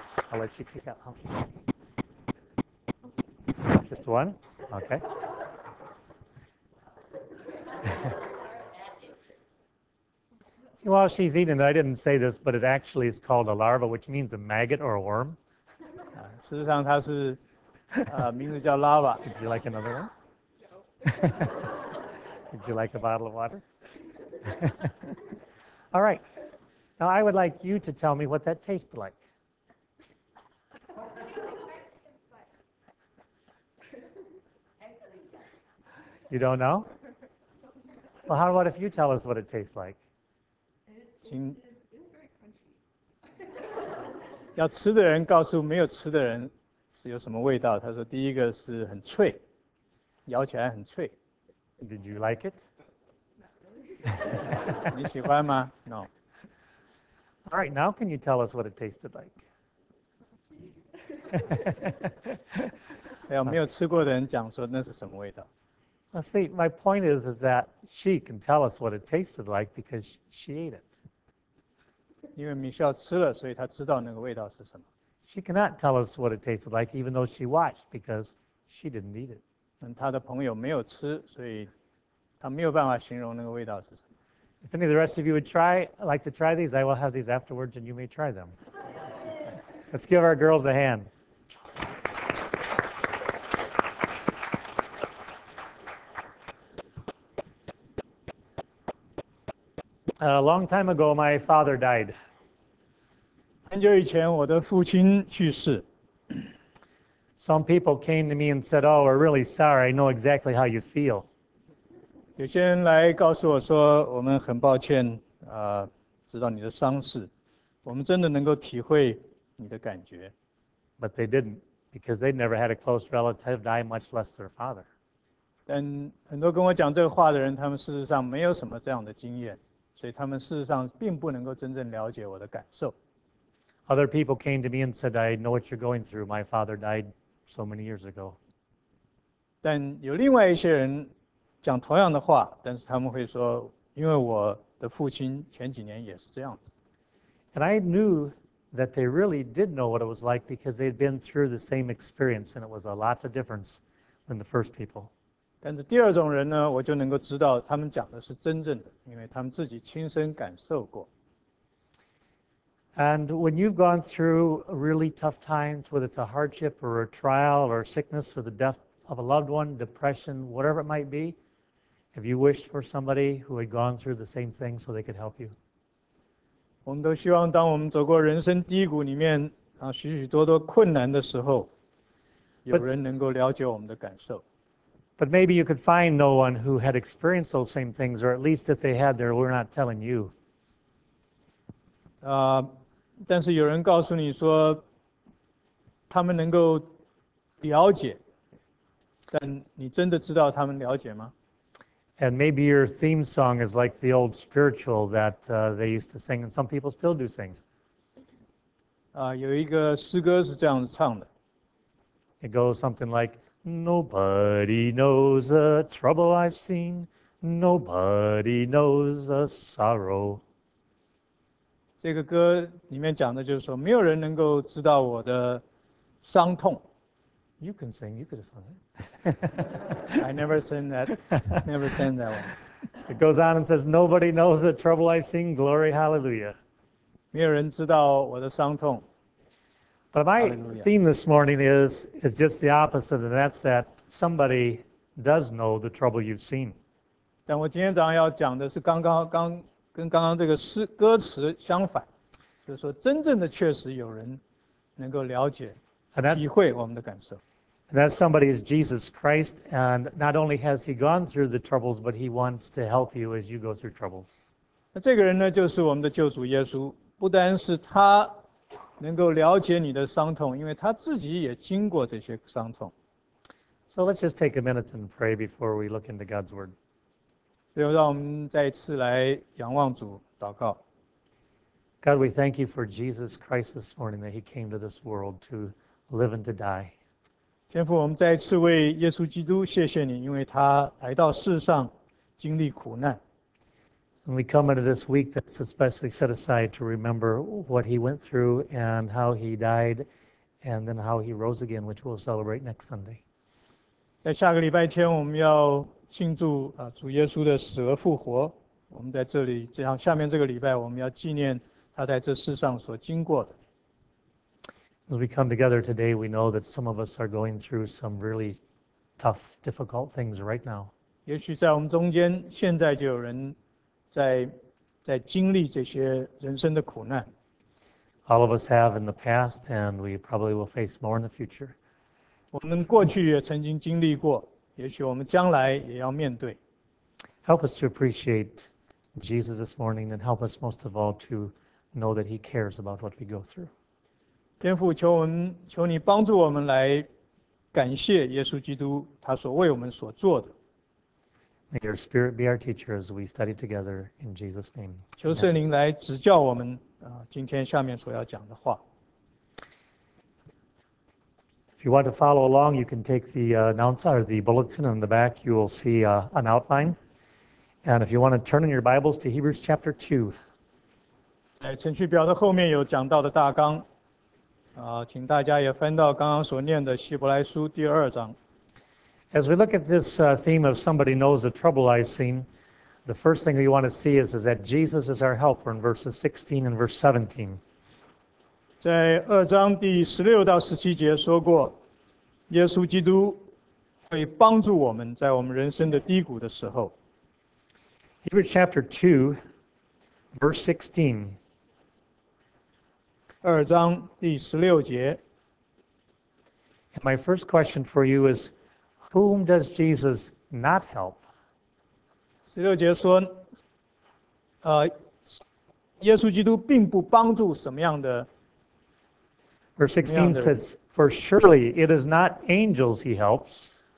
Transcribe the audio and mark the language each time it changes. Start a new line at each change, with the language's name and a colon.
English: I'll let you pick out. Just one? Okay. See, while she's eating it, I didn't say this, but it actually is called a larva, which means a maggot or a worm.
Chinese: 事实上它是名字叫 larva.
English: Would you like another one? Would you like a bottle of water? All right. Now I would like you to tell me what that tastes like. You don't know? Well, how about if you tell us what it tastes like? It's very crunchy.
Chinese: 要吃的人告诉没有吃的人是有什么味道。他说第一个是很脆，咬起来很脆。
English: Did you like it? Not really.
Chinese: 你喜欢吗 ？
English: No. All right, now can you tell us what it tasted like?
Chinese: 还有没有吃过的人讲说那是什么味道。
English: Well, see, my point is that she can tell us what it tasted like because she ate it.
Chinese: 因为 Michelle 吃了，所以她知道那个味道是什么。
English: She cannot tell us what it tasted like, even though she watched, because she didn't eat it.
Chinese: 她的朋友没有吃，所以她没有办法形容那个味道是什么。
English: If any of the rest of you would try, like to try these, I will have these afterwards, and you may try them. Let's give our girls a hand. A long time ago, my father died.
Chinese: 很久以前，我的父亲去世。
English: Some people came to me and said, "Oh, we're really sorry. I know exactly how you feel."
Chinese: 有些人来告诉我说，我们很抱歉，知道你的伤势，我们真的能够体会你的感觉。
English: But they didn't, because they'd never had a close relative die, much less their father.
Chinese: 但很多跟我讲这个话的人，他们事实上没有什么这样的经验。所以他们事实上并不能够真正了解我的感受。
English: Other people came to me and said, "I know what you're going through. My father died so many years ago.
Chinese: 但有另外一些人讲同样的话，但是他们会说，因为我的父亲前几年也是这样子。
English: And I knew that they really did know what it was like because they had been through the same experience, and it was a lot of difference than the first people.
Chinese: 但是第二种人呢，我就能够知道他们讲的是真正的，因为他们自己亲身感受过。
English: And when you've gone through really tough times, whether it's a hardship or a trial or sickness or the death of a loved one, depression, whatever it might be, have you wished for somebody who had gone through the same thing so they could help you?
Chinese: 我们都希望当我们走过人生低谷里面啊，许许多多困难的时候，有人能够了解我们的感受。
English: But maybe you could find no one who had experienced those same things, or at least if they had, they're not telling you.
Chinese: 但是有人告诉你说，他们能够了解，但你真的知道他们了解吗？
English: And maybe your theme song is like the old spiritual that they used to sing, and some people still do sing.
Chinese: 有一个诗歌是这样唱的。
English: It goes something like,Nobody knows the trouble I've seen. Nobody knows the sorrow.
Chinese: 这个歌里面讲的就是说，没有人能够知道我的伤痛。
English: You can sing. You could have sung it. I never sang that. Never sang that one. It goes on and says, Nobody knows the trouble I've seen. Glory, hallelujah.
Chinese: 没有人知道我的伤痛。
English: But my theme this morning is just the opposite, and that's that somebody does know the trouble you've seen.
Chinese: 但我今天早上要讲的是刚刚这个诗歌词相反，就是说真正的确实有人能够了解、体会我们的感受。
English: And that somebody is Jesus Christ, and not only has he gone through the troubles, but he wants to help you as you go through troubles.
Chinese: 那这个人呢，就是我们的救主耶稣，不单是他。能够了解你的伤痛，因为他自己也经过这些伤痛。
English: So let's just take a minute and pray before we look into God's word.
Chinese: 所以让我们再次来仰望主祷告。
English: God, we thank you for Jesus Christ this morning that he came to this world to live and to die.
Chinese: 天父，我们再次为耶稣基督谢谢你，因为他来到世上经历苦难。
English: And we come into this week that's especially set aside to remember what he went through and how he died and then how he rose again, which we'll celebrate next Sunday.
Chinese: 在下个礼拜天我们要庆祝主耶稣的死而复活。我们在这里这样下面这个礼拜我们要纪念他在这世上所经过的。
English: As we come together today, we know that some of us are going through some really tough, difficult things right now.
Chinese: 也许在我们中间现在就有人在经历这些人生的苦难。
English: All of us have in the past, and we probably will face more in the future.
Chinese: 我们过去也曾经经历过，也许我们将来也要面对。
English: Help us to appreciate Jesus this morning, and help us most of all to know that he cares about what we go through.
Chinese: 天父，求你帮助我们来感谢耶稣基督他所为我们所做的。
English: May your spirit be our teacher as we study together in Jesus' name.
Chinese: 求圣灵来指教我们今天下面所要讲的话。
English: If you want to follow along, you can take the announcer, the bulletin in the back. You will see an outline. And if you want to turn in your Bibles to Hebrews chapter 2.
Chinese: 在程序表的后面有讲到的大纲。请大家也翻到刚刚所念的希伯来书第二章。
English: As we look at this theme of somebody knows the trouble I've seen, the first thing we want to see is that Jesus is our helper in verses 16 and verse 17.
Chinese: 在二章第十六到十七节说过，耶稣基督会帮助我们在我们人生的低谷的时候。
English: Hebrews chapter 2, verse 16.
Chinese: 二章第十六节。
English: And my first question for you is,Whom does Jesus not help?
Chinese: 十六节说，耶稣基督并不帮助什么样的。
English: Verse 16 says, "For surely it is not angels he helps."